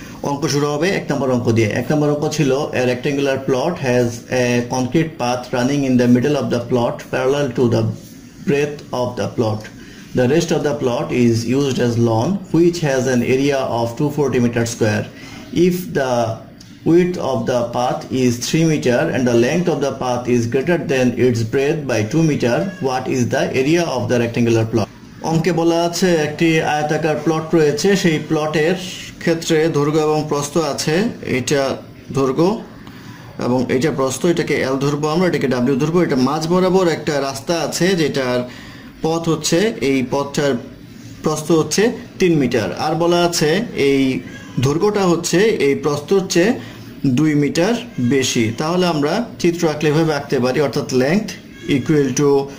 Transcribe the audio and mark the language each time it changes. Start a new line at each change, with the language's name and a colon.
Bangla: অঙ্ক শুরু হবে এক নম্বর অঙ্ক দিয়ে এক নম্বর অঙ্ক ছিল
English: A rectangular plot has a concrete path running in the middle of the plot parallel to the breadth of the plot The rest of the plot is used as lawn, which has an area of 240 meter square. If the width of the path is 3 meter and the length of the path is greater than its breadth by 2 meter, what is the area of the rectangular plot?
Bangla: অঙ্কে বলা আছে একটি আয়তাকার plot রয়েছে সেই প্লটের ক্ষেত্রে দৈর্ঘ্য এবং প্রস্থ আছে এটা দৈর্ঘ্য এবং এটা প্রস্থ এটাকে L ধরবো আমরা এটাকে W ধরবো এটা মাঝ বরাবর একটা রাস্তা আছে যেটার পথ হচ্ছে এই পথটার প্রস্থ হচ্ছে 3 মিটার আর বলা আছে এই দৈর্ঘ্যটা হচ্ছে এই প্রস্থ হচ্ছে 2 মিটার বেশি তাহলে আমরা চিত্র আঁকলে এভাবে আঁকতে পারি অর্থাৎ লেন্থ ইকুয়াল টু